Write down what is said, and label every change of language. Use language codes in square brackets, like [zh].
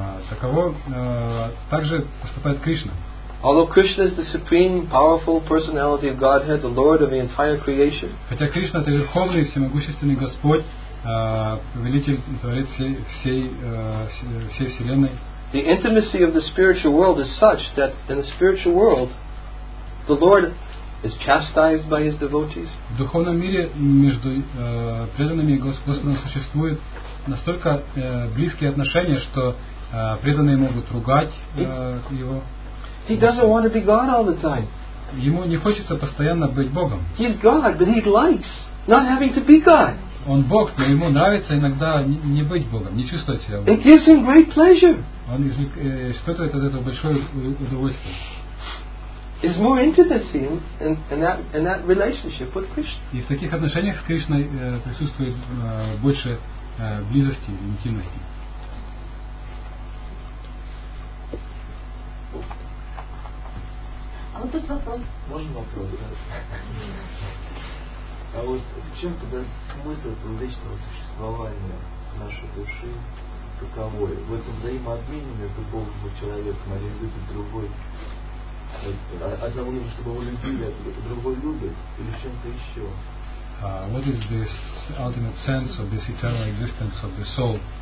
[ru] Таково также поступает Кришна. [en] Although Krishna is the supreme, powerful personality of Godhead, the Lord of the entire creation. [ru] Хотя Кришна это верховный, всемогущественный Господь, повелитель творец всей вселенной. [en] The intimacy of the spiritual world is such that in the spiritual world, the Lord is chastised by his devotees. [ru] В духовном мире между преданными Господом существует настолько близкие отношения, что преданные могут ругать его. [en] He doesn't want to be God all the time. [ru] Ему не хочется постоянно быть Богом. [en] He's God, but he likes not having to be God. [ru] Он Бог, но ему нравится иногда не быть Богом, не чувствовать себя Богом. [en] It gives him great pleasure. [ru] Он испытывает от этого большое удовольствие. [en] Is more intimacy in that relationship with Krishna. [ru] И в таких отношениях с Кришной присутствует больше близости, интимности. А вот тут вопрос. Можно вопрос, да? А вот в чем тогда смысл этого вечного существования нашей души? Каковое? В этом взаимообмене между Богом и человеком, а любит другой. Одного, чтобы его любили, а другой любит, или чем-то еще? [en] What is this ultimate sense of this eternal existence of the soul?